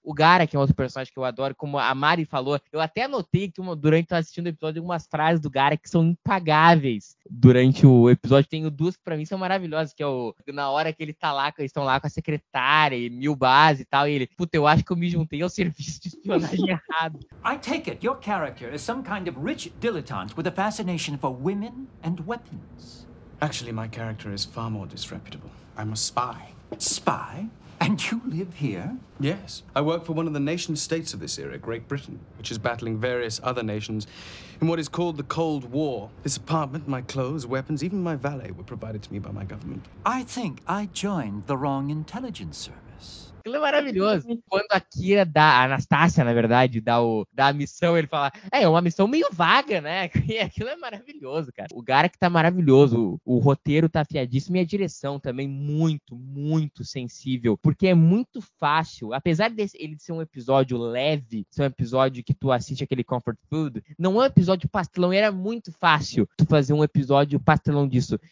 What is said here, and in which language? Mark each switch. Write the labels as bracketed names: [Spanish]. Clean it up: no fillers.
[Portuguese] O Gara, que é um outro personagem que eu adoro, como a Mari falou, eu até anotei que durante assistindo o episódio algumas frases do Gara que são impagáveis durante o episódio. Tenho duas que pra mim são maravilhosas, que é na hora que ele tá lá, eles estão lá com a secretária e mil base e tal, e ele, puta, eu acho que eu me juntei ao serviço de espionagem errado. [English] I take it your character is some kind of rich dilettante with a fascination for women and weapons. Actually, my character is far more disreputable. I'm a spy. Spy? And you live here? Yes. I work for one of the nation states of this era, Great Britain, which is battling various other nations in what is called the Cold War. This apartment, my clothes, weapons, even my valet were provided to me by my government. I think I joined the wrong intelligence service. [Portuguese] Aquilo é maravilhoso. Quando a Kira dá, a Anastácia, na verdade, dá a missão, ele fala, é uma missão meio vaga, né? Aquilo é maravilhoso, cara. O Garak tá maravilhoso, o roteiro tá afiadíssimo e a direção também muito, muito sensível. Porque é muito fácil, apesar dele ser um episódio leve, ser um episódio que tu assiste aquele comfort food, não é um episódio pastelão, era muito fácil tu fazer um episódio pastelão disso.